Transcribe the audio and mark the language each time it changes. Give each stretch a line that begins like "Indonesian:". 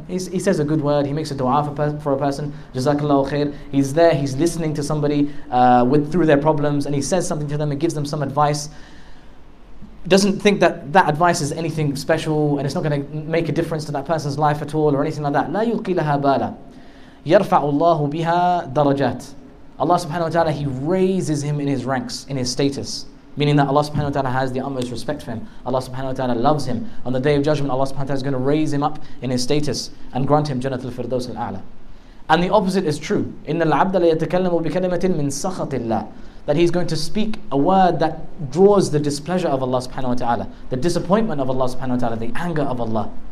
English: He says a good word, he makes a dua for a person, Jazakallahu khair. He's there, he's listening to somebody through their problems, and he says something to them and gives them some advice. Doesn't think that that advice is anything special and it's not going to make a difference to that person's life at all or anything like that.
Arabic: لا يلقي لها بالا يرفع الله بها درجات.
English: Allah subhanahu wa ta'ala, he raises him in his ranks, in his status. Meaning that Allah subhanahu wa ta'ala has the utmost respect for him. Allah subhanahu wa ta'ala loves him. On the day of judgment, Allah subhanahu wa ta'ala is going to raise him up in his status and grant him Jannat al-Firdaws al-A'la. And the opposite is true.
Arabic: إِنَّ الْعَبْدَ لَيَتَكَلَّمُ بِكَلِمَةٍ مِّن سَخَطِ اللَّهِ.
English: That he's going to speak a word that draws the displeasure of Allah subhanahu wa ta'ala, the disappointment of Allah subhanahu wa ta'ala, the anger of Allah.